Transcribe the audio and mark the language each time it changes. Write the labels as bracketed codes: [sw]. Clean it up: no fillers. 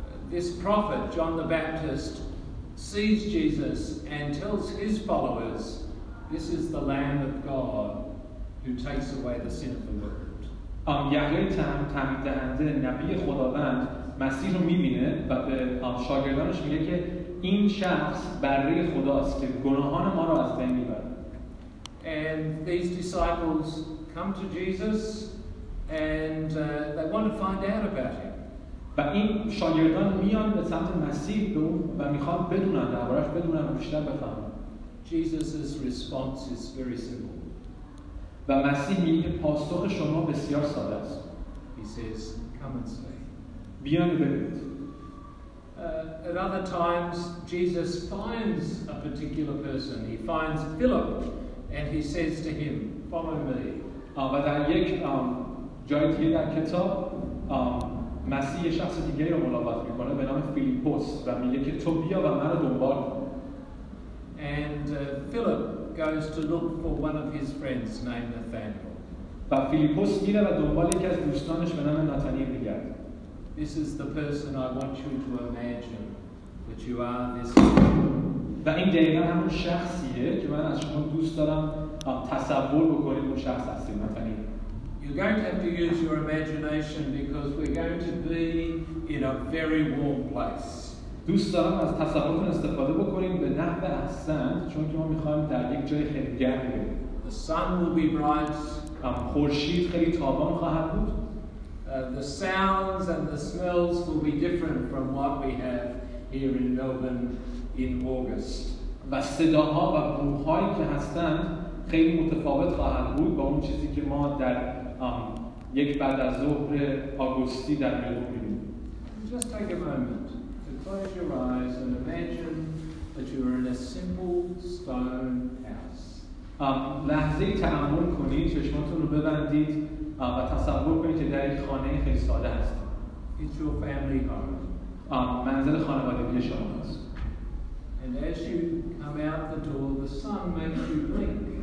[en] This prophet, John the Baptist, sees Jesus and tells his followers, "This is the Lamb of God." Who takes away the sin of the world. [fa] یحیای تعمید دهنده نبی خداوند مسیح رو می‌بینه و به شاگردانش میگه که این شخص بره خداست که گناهان ما رو از بین می‌بره. [en] And these disciples come to Jesus and they want to find out about him. [fa] و این شاگردان میان به سمت مسیح و می‌خوان بدونن درباره‌اش بدونن و بیشتر بفهمن. [en] Jesus's response is very simple. [fa] و مسیح میگه پاسخ شما بسیار ساده است. [en] He says, come and see. [fa] بیان ببینید. [en] At other times, Jesus finds a particular person. He finds Philip, and he says to him, follow me. [fa] و در یک جای دیگه در کتاب مسیح یه شخص دیگه رو ملاقات میکنه به نام فیلیپوس و میگه که تو بیا و من رو دنبال کن. [en] And Philip goes to look for one of his friends named Nathaniel. [fa] و فیلیپوس میره و دنبال یکی از دوستانش به نام ناتانیل می‌گرده. [en] This is the person I want you to imagine that you are this. [fa] و این دقیقا همون شخصیه که من از شما دوست دارم تصور بکنید اون شخص هستید مثلا این. [en] You're going to have to use your imagination because we're going to be in a very warm place. [fa] دوست دارم از تصورتون استفاده بکنیم به نحو احسن چون که ما میخواییم در یک جای خیلی گرم بریم. [en] The sun will be bright. [fa] خورشید خیلی تابان خواهد بود. [en] The sounds and the smells will be different from what we have here in Melbourne in August. [fa] و صداها و بوهایی که هستند خیلی متفاوت خواهند بود با اون چیزی که ما در یک بعد از ظهر آگوستی در ملبورن می‌بینیم. [en] Just take a moment to close your eyes and imagine that you are in a simple stone house. [fa] لحظه تأمل کنید، چشماتون رو ببندید و تصور کنید که در یک خانه خیلی ساده هستید. [en] It's your family home. [fa] منزل خانوادگی شما هست. [en] And as you come out the door, the sun makes you blink.